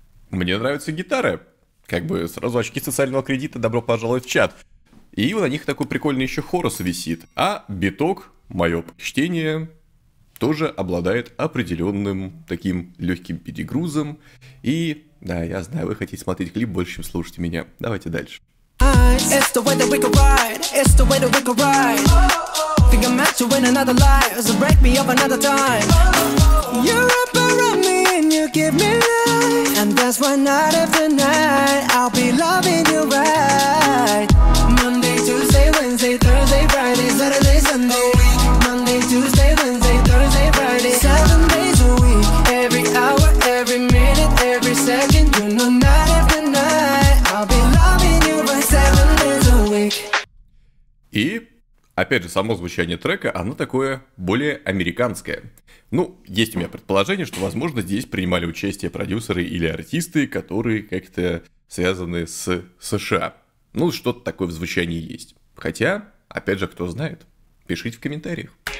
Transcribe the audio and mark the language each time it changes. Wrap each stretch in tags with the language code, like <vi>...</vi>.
<ru>Мне нравятся гитары. Как бы сразу очки социального кредита, добро пожаловать в чат. И на них такой прикольный еще хорус висит. А биток, мое почтение, тоже обладает определенным таким легким перегрузом. И да, я знаю, вы хотите смотреть клип больше, чем слушать меня. Давайте дальше.</ru> <en>It's the way that we could ride, it's the way that we could ride. Think I'm meant to win another life, so break me up another time. You wrap around me and you give me life, and that's why night after night I'll be loving you right. Monday, Tuesday, Wednesday, Thursday, Friday, Saturday, Sunday. Monday, Tuesday, Wednesday, Thursday, Friday, 7 days a week. Every hour, every minute, every second, you know night after night I'll be loving you right. 7 days a week.</en> <ru>И опять же, само звучание трека, оно такое более американское. Ну, есть у меня предположение, что, возможно, здесь принимали участие продюсеры или артисты, которые как-то связаны с США. Ну, что-то такое в звучании есть. Хотя, опять же, кто знает, пишите в комментариях.</ru>